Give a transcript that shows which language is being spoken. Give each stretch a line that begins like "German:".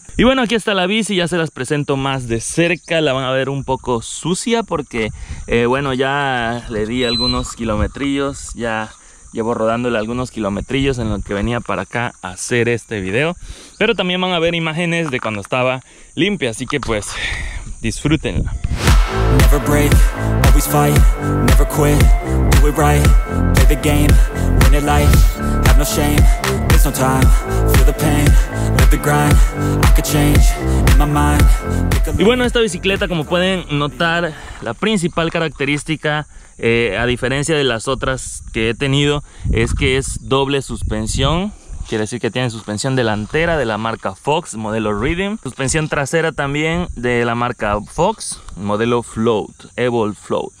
Spanish: Y bueno, aquí está la bici, ya se las presento más de cerca. La van a ver un poco sucia porque bueno, ya le di algunos kilometrillos, ya llevo rodándole algunos kilometrillos en lo que venía para acá a hacer este video. Pero también van a ver imágenes de cuando estaba limpia, así que pues disfrútenla.
English: Never break, always fight, never quit, do it right, play the game, win it life, have no shame, there's no time, feel the pain, let the grind, I could change in my mind.
Spanish: Y bueno, esta bicicleta, como pueden notar, la principal característica, a diferencia de las otras que he tenido, es que es doble suspensión. Quiere decir que tiene suspensión delantera de la marca Fox, modelo Rhythm. Suspensión trasera también de la marca Fox, modelo Float, Evolve Float.